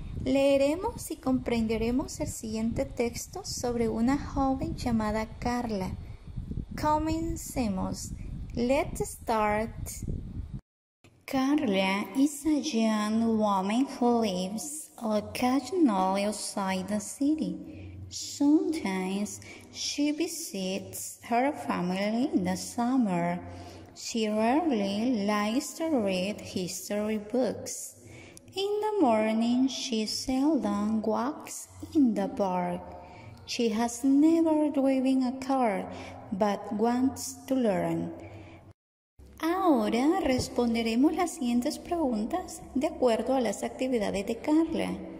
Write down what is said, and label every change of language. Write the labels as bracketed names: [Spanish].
[Spanish] Leeremos y comprenderemos el siguiente texto sobre una joven llamada Carla. Comencemos. [English] Let's start. Carla is a young woman who lives occasionally outside the city. Sometimes she visits her family in the summer. She rarely likes to read history books. In the morning, she seldom walks in the park. She has never driven a car, but wants to learn. [Spanish] Ahora responderemos las siguientes preguntas de acuerdo a las actividades de Carla.